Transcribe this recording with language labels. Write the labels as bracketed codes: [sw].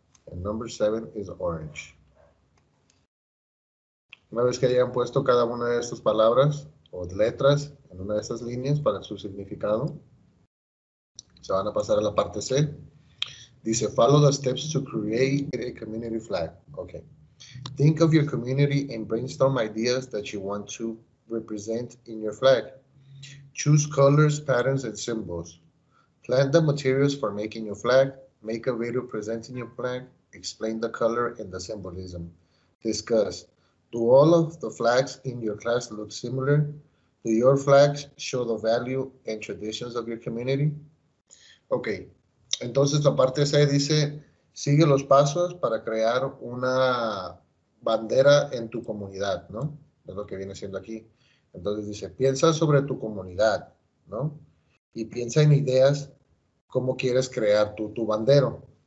[en] And number 7 is orange. [es] Una vez que hayan puesto cada una de estas palabras o letras en una de estas líneas para su significado, se van a pasar a la parte C. [en] Dice, follow the steps to create a community flag. Okay. Think of your community and brainstorm ideas that you want to represent in your flag. Choose colors, patterns, and symbols. Plan the materials for making your flag. Make a video presenting your flag. Explain the color and the symbolism. Discuss, do all of the flags in your class look similar? Do your flags show the value and traditions of your community? Okay. [es] Entonces, la parte C dice, sigue los pasos para crear una bandera en tu comunidad, ¿no? Es lo que viene siendo aquí. Entonces, dice, piensa sobre tu comunidad, ¿no? Y piensa en ideas, cómo quieres crear tu bandero.